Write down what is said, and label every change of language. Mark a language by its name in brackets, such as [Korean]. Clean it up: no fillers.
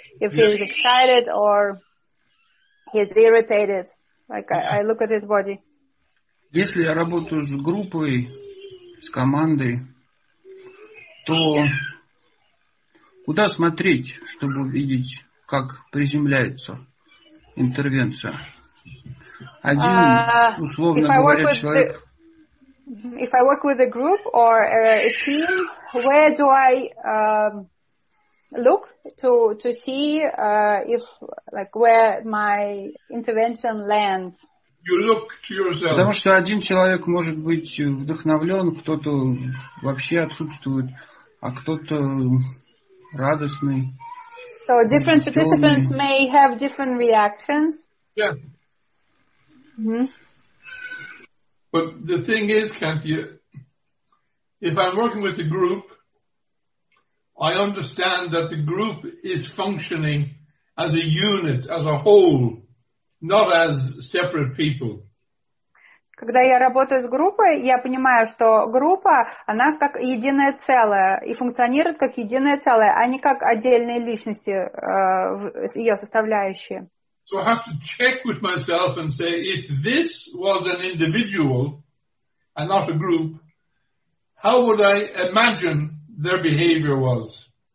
[English] If he's excited or he's irritated, I look at his body. [Russian] Если я работаю с группой, с командой, то куда смотреть, чтобы увидеть, как приземляется интервенция. Один, условно говоря, человек... [English] If I work with a group or a team, where do I look to see if, like, where my intervention lands? You look to yourself. [Russian] Потому что один человек может быть вдохновлен, кто-то вообще отсутствует, а кто-то радостный. [English] So different participants may have different reactions. Yeah. But the thing is, Katya, if I'm working with a group, I understand that the group is functioning as a unit, as a whole, not as separate people. [Russian] Когда я работаю с группой, я понимаю, что группа, она как единое целое и функционирует как единое целое, а не как отдельные личности, ее составляющие. [English] So I have to check with myself and say, if this was an individual and not a group, how would I imagine their behavior was?